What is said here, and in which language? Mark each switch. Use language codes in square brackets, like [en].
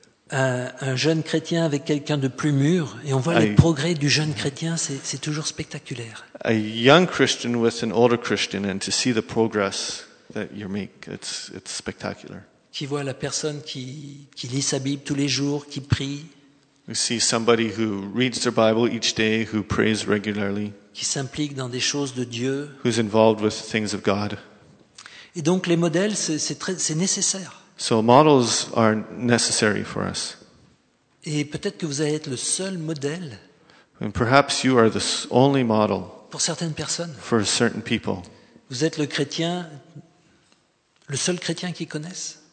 [fr] Un jeune chrétien avec quelqu'un de plus mûr, et on voit les progrès du jeune chrétien, c'est toujours spectaculaire. [en] A young Christian with an older Christian, and to see the progress that you make, it's spectacular. [fr] Qui voit la personne qui lit sa Bible tous les jours, qui prie. [en] We see somebody who reads their Bible each day, who prays regularly. [fr] Qui s'implique dans des choses de Dieu. [en] Who's involved with things of God. [fr] Et donc les modèles, c'est nécessaire. [en] So models are necessary for us. [fr] Et peut-être que vous allez être le seul modèle. [en] And perhaps you are the only model. [fr] Pour certaines personnes. [en] For certain people. [fr] Vous êtes le seul chrétien qu'ils connaissent.